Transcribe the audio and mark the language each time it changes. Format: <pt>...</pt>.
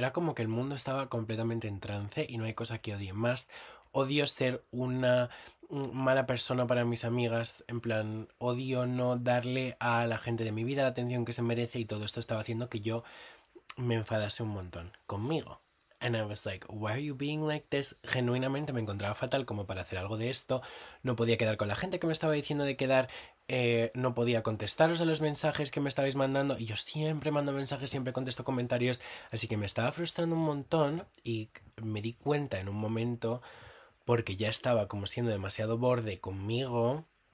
<es>Era como que el mundo estaba completamente en trance y no hay cosa que odie más. Odio ser una mala persona para mis amigas, en plan, odio no darle a la gente de mi vida la atención que se merece y todo esto estaba haciendo que yo me enfadase un montón conmigo.</es> <en>And I was like, why are you being like this?</en> <es>Genuinamente me encontraba fatal como para hacer algo de esto. No podía quedar con la gente que me estaba diciendo de quedar. No podía contestaros a los mensajes que me estabais mandando. Y yo siempre mando mensajes, siempre contesto comentarios. Así que me estaba frustrando un montón. Y me di cuenta en un momento, porque ya estaba como siendo demasiado borde conmigo.</es>